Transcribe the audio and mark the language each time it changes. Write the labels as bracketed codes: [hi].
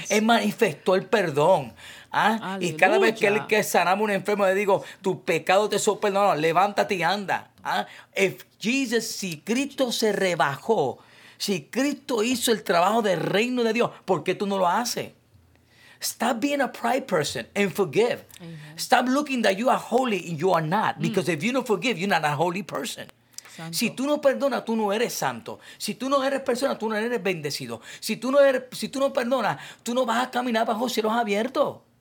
[es] Él manifestó el perdón. ¿Ah? Y cada vez que sanaba a un enfermo, le digo, tu pecado te son perdonados, levántate y anda. ¿Ah? Si Cristo se rebajó, si Cristo hizo el trabajo del reino de Dios, ¿por qué tú no lo haces? [en] Stop being a pride person and forgive. Mm-hmm. Stop looking that you are holy and you are not. Because if you don't forgive, you're not a holy person. [es] Santo. Si tú no perdonas, tú no eres santo. Si tú no eres persona, tú no eres bendecido. Si tú no perdonas, tú no vas a caminar bajo cielos abiertos.